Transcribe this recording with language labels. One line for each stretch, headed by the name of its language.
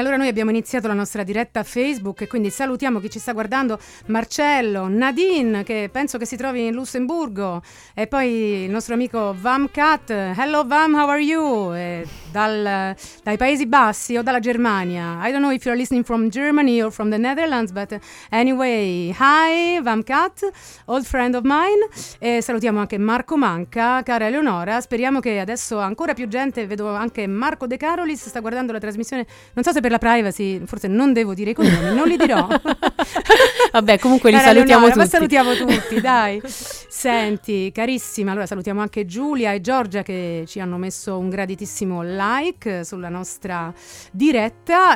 Italian: Allora, noi abbiamo iniziato la nostra diretta Facebook, e quindi salutiamo chi ci sta guardando: Marcello, Nadine, che penso che si trovi in Lussemburgo, e poi il nostro amico Vamcat.
English: Hello Vam, how are you?
Italian: E dai Paesi Bassi o dalla Germania.
English: I don't know if you're listening from Germany or from the Netherlands, but anyway, hi Vamcat, old friend of mine.
Italian: E salutiamo anche Marco Manca, caro Eleonora. Speriamo che adesso ancora più gente, vedo anche Marco De Carolis sta guardando la trasmissione, non so se per la privacy, forse non devo dire i cognomi, non li dirò. Vabbè, comunque li salutiamo tutti. Ma salutiamo tutti, dai. Senti, carissima, allora salutiamo anche Giulia e Giorgia, che ci hanno messo un graditissimo like sulla nostra diretta.